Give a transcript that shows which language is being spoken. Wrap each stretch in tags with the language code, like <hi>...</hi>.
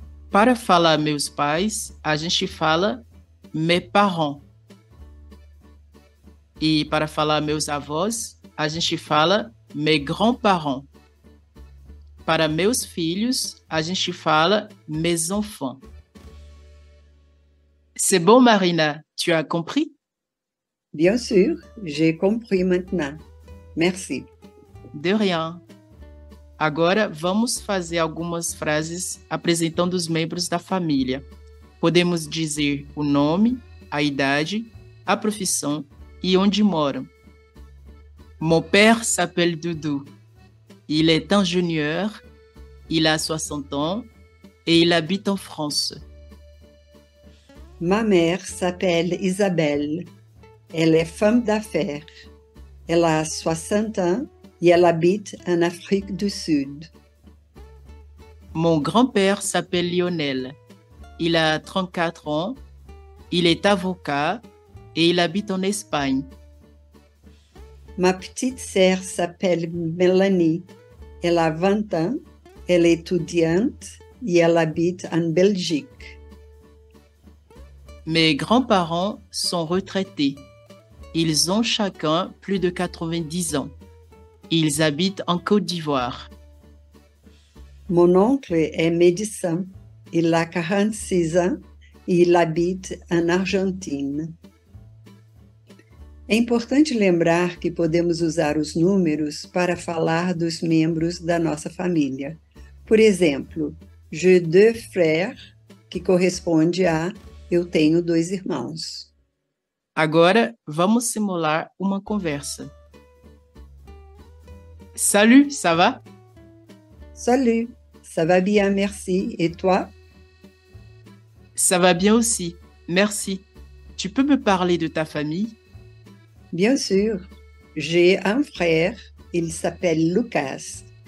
<pt>Para falar meus pais, a gente fala</pt> <fr>mes parents.</fr> <pt>E para falar meus avós, a gente fala</pt> <fr>mes grands-parents.</fr> <pt>Para meus filhos, a gente fala</pt> <fr>mes enfants. C'est bon, Marina? Tu as compris? Bien sûr, j'ai compris maintenant. Merci. De rien. Agora, vamos fazer algumas frases apresentando os membros da família. Podemos dizer o nome, a idade, a profissão e onde moram. Mon père s'appelle Doudou. Il est ingénieur, il a 60 ans et il habite en France. Ma mère s'appelle Isabelle. Elle est femme d'affaires. Elle a 60 ans et elle habite en Afrique du Sud. Mon grand-père s'appelle Lionel. Il a 34 ans. Il est avocat et il habite en Espagne. Ma petite sœur s'appelle Mélanie. Elle a 20 ans, elle est étudiante et elle habite en Belgique. Mes grands-parents sont retraités. Ils ont chacun plus de 90 ans. Ils habitent en Côte d'Ivoire. Mon oncle est médecin. Il a 46 ans et il habite en Argentine.</fr> <pt>É importante lembrar que podemos usar os números para falar dos membros da nossa família. Por exemplo,</pt> <fr>j'ai deux frères,</fr> <pt>que corresponde a eu tenho dois irmãos. Agora, vamos simular uma conversa.</pt> <fr>Salut, ça va? Salut, ça va bien, merci. Et toi? Ça va bien aussi, merci. Tu peux me parler de ta famille? Bien sûr. J'ai un frère, il s'appelle Lucas.</fr>